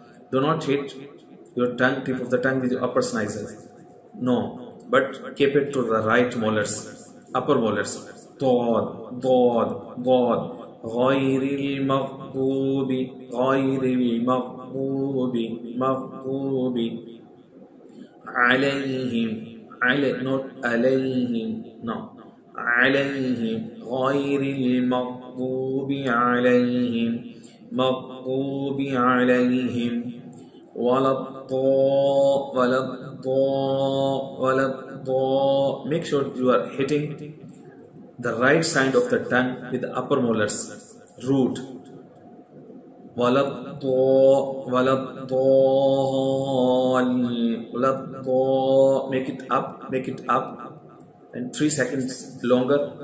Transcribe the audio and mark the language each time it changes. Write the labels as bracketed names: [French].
[English] Do not hit your tongue, tip of the tongue with your upper sinuses. No, but keep it to the right molars, upper molars. Dod, dod, dod. [Arabic] غير المغضوب, غير المغضوب, مغضوب. عليهم, علي, not عليهم, no. عليهم, غير المغضوب عليهم, مغضوب عليهم. ولا الضاء ولا الضاء ولا الضاء. [English] Make sure you are hitting the right side of the tongue with the upper molars root. [Arabic] ولا الضاء ولا الضاء ولا الضاء. [English] Make it up, make it up, and 3 seconds longer.